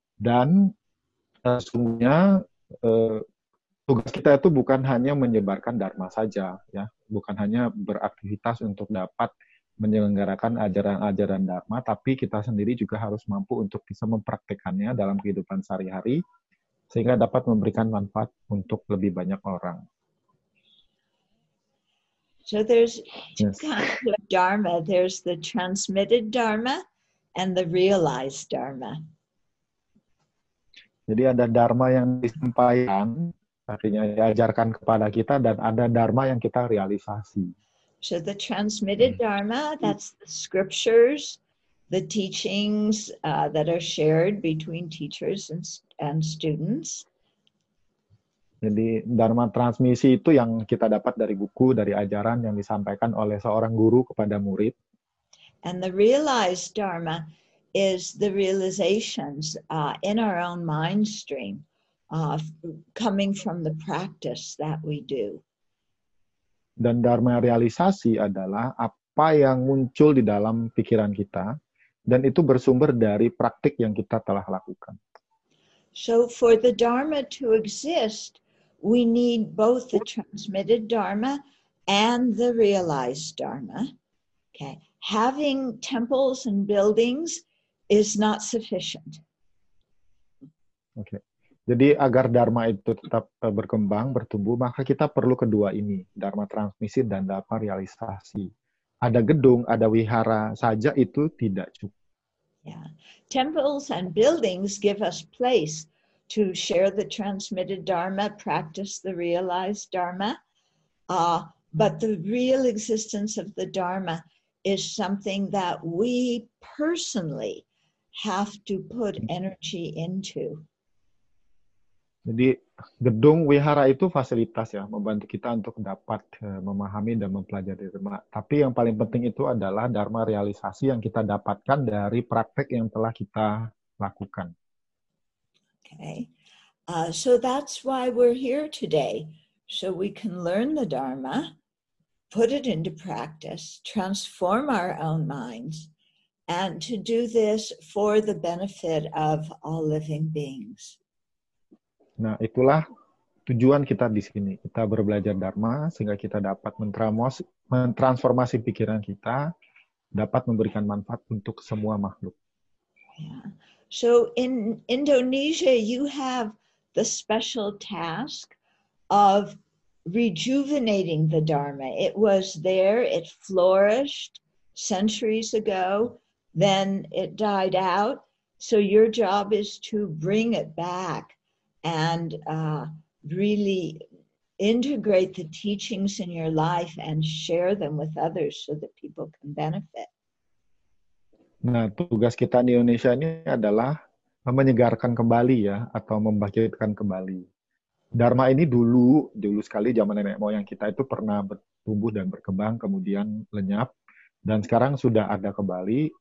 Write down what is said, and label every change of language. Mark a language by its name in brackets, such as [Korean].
[Indonesian] Dan sesungguhnya tugas kita itu bukan hanya menyebarkan Dharma saja, ya, bukan hanya beraktivitas untuk dapat menyelenggarakan ajaran-ajaran Dharma, tapi kita sendiri juga harus mampu untuk bisa mempraktikkannya dalam kehidupan sehari-hari, sehingga dapat memberikan manfaat untuk lebih banyak orang. [English] So there's kind of Dharma. There's the transmitted Dharma and the realized Dharma. [Indonesian] Jadi ada Dharma yang disampaikan, artinya diajarkan kepada kita, dan ada Dharma yang kita realisasi. [English] So the transmitted Dharma, that's the scriptures, the teachings that are shared between teachers and students. [Indonesian] Jadi Dharma transmisi itu yang kita dapat dari buku, dari ajaran yang disampaikan oleh seorang guru kepada murid. [English] And the realized Dharma is the realizations in our own mind stream coming from the practice that we do. [Indonesian] Dan Dharma realisasi adalah apa yang muncul di dalam pikiran kita, dan itu bersumber dari praktik yang kita telah lakukan. [English] So for the Dharma to exist, we need both the transmitted Dharma and the realized Dharma. Okay. Having temples and buildings is not sufficient. Okay. [Indonesian] Jadi agar Dharma itu tetap berkembang, bertumbuh, maka kita perlu kedua ini, Dharma transmisi dan Dharma realisasi. Ada gedung, ada wihara saja itu tidak cukup. [English] Yeah. Temples and buildings give us place to share the transmitted Dharma, practice the realized Dharma. But the real existence of the Dharma is something that we personally have to put energy into. [Indonesian] Jadi gedung wihara itu fasilitas ya, membantu kita untuk dapat memahami dan mempelajari Dharma. Tapi yang paling penting itu adalah Dharma realisasi yang kita dapatkan dari praktek yang telah kita lakukan. [English] Okay, so that's why we're here today. So we can learn the Dharma, put it into practice, transform our own minds, and to do this for the benefit of all living beings. [Indonesian] Nah, itulah tujuan kita di sini. Kita berbelajar Dharma sehingga kita dapat mentransformasi pikiran kita, dapat memberikan manfaat untuk semua makhluk. [English] Yeah. So in Indonesia, you have the special task of rejuvenating the Dharma. It was there, it flourished centuries ago, then it died out. So your job is to bring it back and really integrate the teachings in your life and share them with others so that people can benefit. [Indonesian] Nah, tugas kita di Indonesia ini adalah menyegarkan kembali ya, atau membangkitkan kembali. Dharma ini dulu sekali zaman nenek moyang kita itu pernah bertumbuh dan berkembang, kemudian lenyap, dan sekarang sudah ada kembali.